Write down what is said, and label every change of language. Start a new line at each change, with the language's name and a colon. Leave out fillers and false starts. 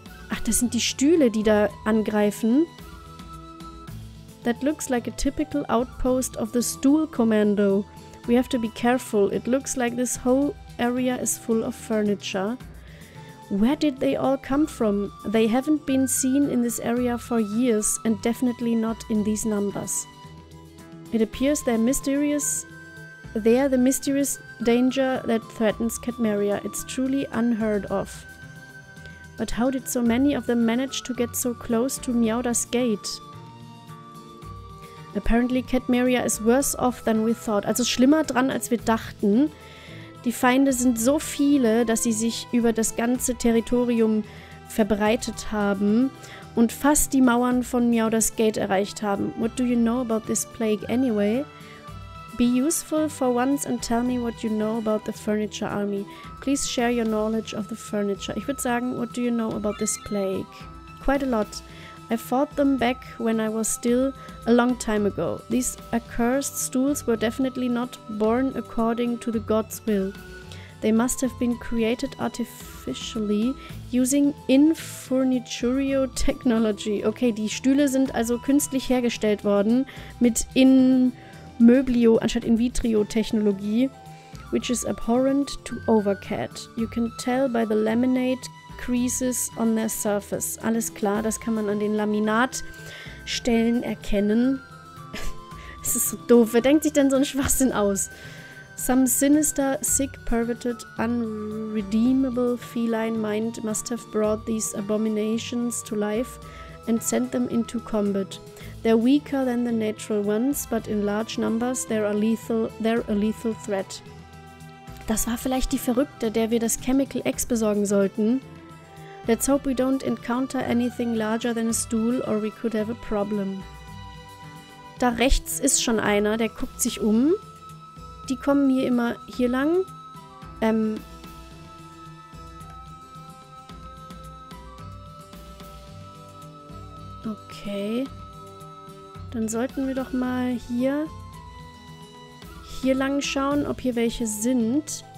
German: Ach, das sind die Stühle, die da angreifen.
English: That looks like a typical outpost of the Stool Commando. We have to be careful. It looks like this whole area is full of furniture. Where did they all come from? They haven't been seen in this area for years and definitely not in these numbers. It appears they're the mysterious danger that threatens Katmeria. It's truly unheard of. But how did so many of them manage to get so close to Miauda's gate? Apparently Katmeria is worse off than we thought.
German: Also schlimmer dran, als wir dachten. Die Feinde sind so viele, dass sie sich über das ganze Territorium verbreitet haben und fast die Mauern von Miauda's Gate erreicht haben.
English: What do you know about this plague anyway? Be useful for once and tell me what you know about the Furniture Army. Please share your knowledge of the furniture.
German: Ich würde sagen,
English: what do you know about this plague? Quite a lot. I fought them back when I was still a long time ago. These accursed stools were definitely not born according to the god's will. They must have been created artificially using infurniturio technology.
German: Okay, die Stühle sind also künstlich hergestellt worden mit Inmöblio anstatt in vitrio Technologie,
English: which is abhorrent to Overcat. You can tell by the laminate creases on their surface.
German: Alles klar, das kann man an den Laminatstellen erkennen. Es ist so doof, wer denkt sich denn so einen Schwachsinn aus?
English: Some sinister, sick, perverted, unredeemable feline mind must have brought these abominations to life and sent them into combat. They're weaker than the natural ones, but in large numbers they're a lethal threat.
German: Das war vielleicht die Verrückte, der wir das Chemical X besorgen sollten.
English: Let's hope we don't encounter anything larger than a stool or we could have a problem.
German: Da rechts ist schon einer, der guckt sich um. Die kommen hier immer hier lang. Okay. Dann sollten wir doch mal hier lang schauen, ob hier welche sind.